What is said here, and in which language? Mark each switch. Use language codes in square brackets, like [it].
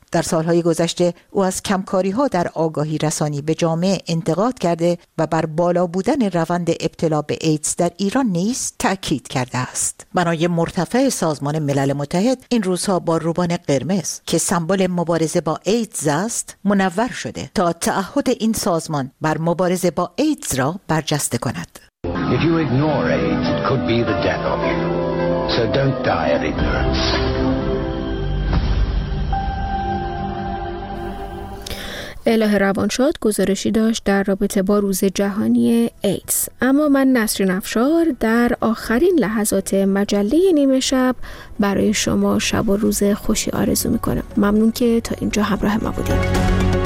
[fa] در سالهای گذشته او از کمکاری‌ها در آگاهی رسانی به جامعه انتقاد کرده و بر بالا بودن روند ابتلا به ایدز در ایران نیز تأکید کرده است. بنای مرتفع سازمان ملل متحد این روزها با روبان قرمز که سمبل مبارزه با ایدز است منور شده تا تعهد این سازمان بر مبارزه با ایدز را برجسته کند. [en] If you ignore AIDS, it could be the death of you. So don't die of ignorance. [fa] اله روانشاد گزارشی داشت در رابطه با روز جهانی ایدز. اما من نسرین افشار در آخرین لحظات مجله نیمه شب برای شما شب و روز خوشی آرزو میکنم. ممنون که تا اینجا همراه ما بودید.